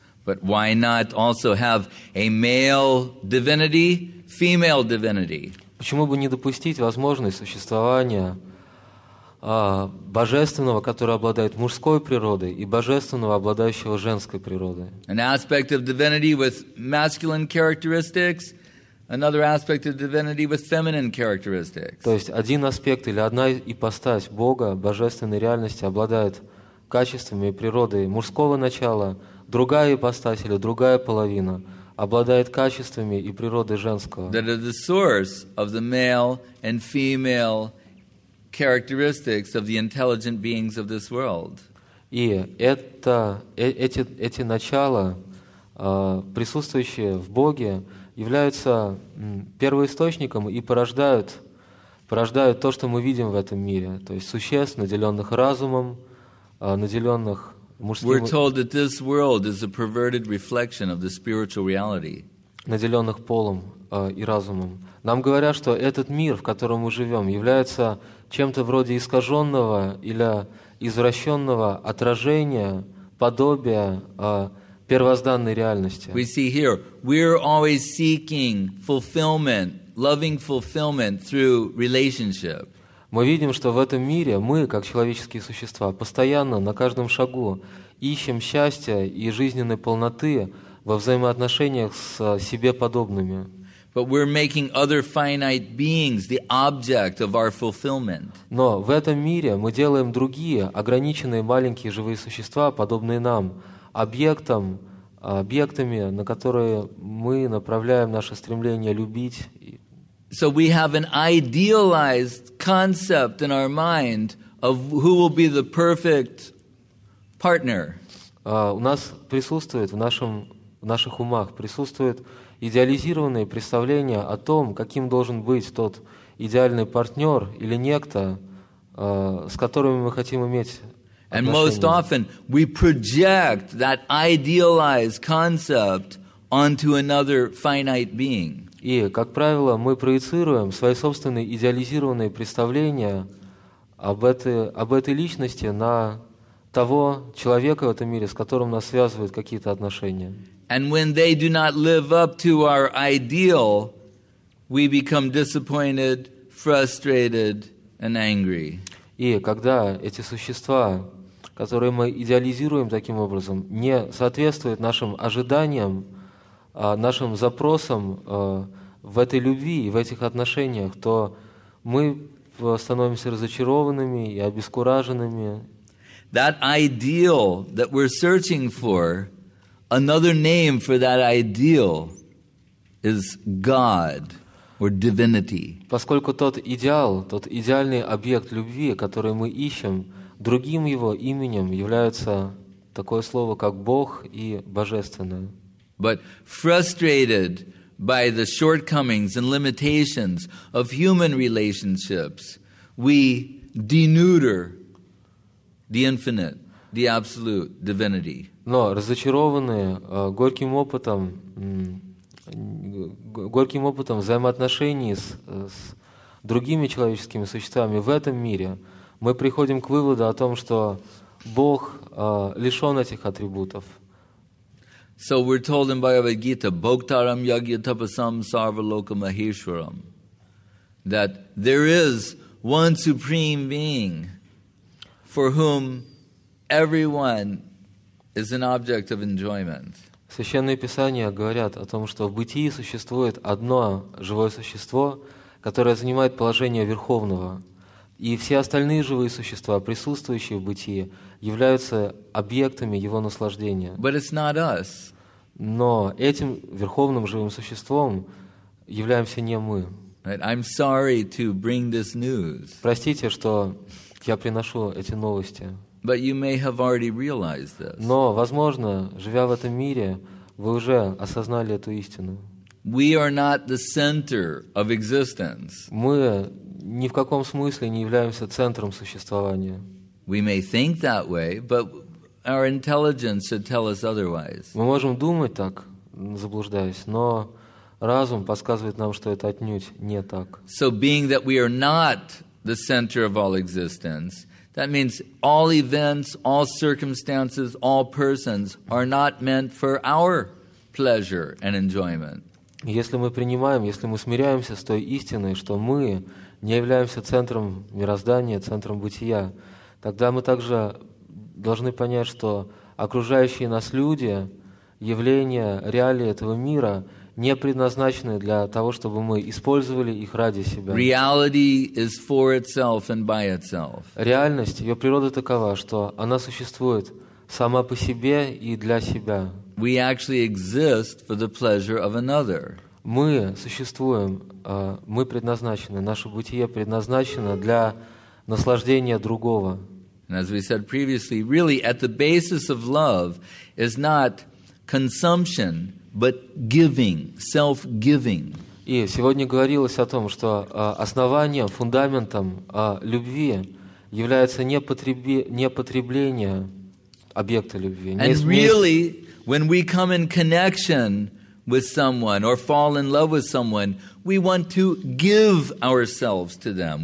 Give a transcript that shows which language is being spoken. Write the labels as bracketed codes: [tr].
[en] But why not also have a male divinity, female divinity? [ru] Почему бы не допустить возможность существования божественного, который обладает мужской природой, и божественного, обладающего женской природой? [en] An aspect of divinity with masculine characteristics, another aspect of divinity with feminine characteristics. [ru] То есть один аспект или одна ипостась Бога, божественной реальности, обладает качествами и природой мужского начала, другая ипостась или другая половина обладает качествами и природой женского. [en] That is the source of the male and female characteristics of the intelligent beings of this world. [ru] И это эти начала, присутствующие в Боге, являются первоисточником и порождают то, что мы видим в этом мире, то есть существ, наделенных разумом, наделенных мужским... [en] We're told that this world is a perverted reflection of the spiritual reality. [ru] Наделенных полом и разумом. Нам говорят, что этот мир, в котором мы живем, является чем-то вроде искаженного или извращенного отражения, подобия первозданной реальности. [en] We see here, we're always seeking fulfillment, loving fulfillment through relationship. [ru] Мы видим, что в этом мире мы, как человеческие существа, постоянно на каждом шагу ищем счастья и жизненной полноты во взаимоотношениях с себе подобными. [en] But we're making other finite beings the object of our fulfillment. [ru] Но в этом мире мы делаем другие ограниченные маленькие живые существа, подобные нам, объектами, на которые мы направляем наше стремление любить. [en] So we have an idealized concept in our mind of who will be the perfect partner. [ru] У нас присутствует в наших умах присутствует идеализированное представление о том, каким должен быть тот идеальный партнер или некто, с которым мы хотим иметь отношения. [en] And most often we project that idealized concept onto another finite being. [ru] И, как правило, мы проецируем свои собственные идеализированные представления об этой личности на того человека в этом мире, с которым нас связывают какие-то отношения. [en] And when they do not live up to our ideal, we become disappointed, frustrated, and angry. [ru] И когда эти существа, которые мы идеализируем таким образом, не соответствуют нашим ожиданиям, нашим запросам в этой любви и в этих отношениях, то мы становимся разочарованными и обескураженными. [en] That ideal that we're searching for, another name for that ideal is God or divinity. [ru] Поскольку тот идеальный объект любви, который мы ищем, другим его именем является такое слово, как Бог и Божественное. [en] But frustrated by the shortcomings and limitations of human relationships, we denuder the infinite, the absolute divinity. [ru] Но разочарованные горьким опытом взаимоотношений с другими человеческими существами в этом мире, мы приходим к выводу о том, что Бог лишен этих атрибутов. [en] So we're told in Bhagavad Gita, [sa] Bhoktaram Yagya Tapasam Sarva Loka Maheshwaram, [en] that there is one supreme being for whom everyone is an object of enjoyment. [ru] Священные писания говорят о том, что в бытии существует одно живое существо, которое занимает положение верховного, и все остальные живые существа, присутствующие в бытии, являются объектами его наслаждения. [en] But it's not us. [ru] Но этим верховным живым существом являемся не мы. [en] I'm sorry to bring this news. [ru] Простите, что я приношу эти новости. [en] But you may have already realized this. [ru] Но, возможно, живя в этом мире, вы уже осознали эту истину. [en] We are not the center of existence. [ru] Мы ни в каком смысле не являемся центром существования. [en] We may think that way, but our intelligence should tell us otherwise. [ru] Мы можем думать так, заблуждаясь, но разум подсказывает нам, что это отнюдь не так. [en] So being that we are not the center of all existence, That means all events, all circumstances, all persons are not meant for our pleasure and enjoyment. [ru] Если мы принимаем, если мы смиряемся с той истиной, что мы не являемся центром мироздания, центром бытия, тогда мы также должны понять, что окружающие нас люди, явления, реалии этого мира не предназначены для того, чтобы мы использовали их ради себя. [en] Reality is for itself and by itself. [ru] Реальность, ее природа такова, что она существует сама по себе и для себя. [en] We actually exist for the pleasure of another. [ru] Мы существуем, мы предназначены, наше бытие предназначено для наслаждения другого. [en] And as we said previously, really at the basis of love is not consumption, but giving, self-giving. [ru] И сегодня говорилось о том, что основанием, фундаментом любви является не потребление объекта любви. [en] And really, when we come in connection with someone or fall in love with someone, we want to give ourselves to them.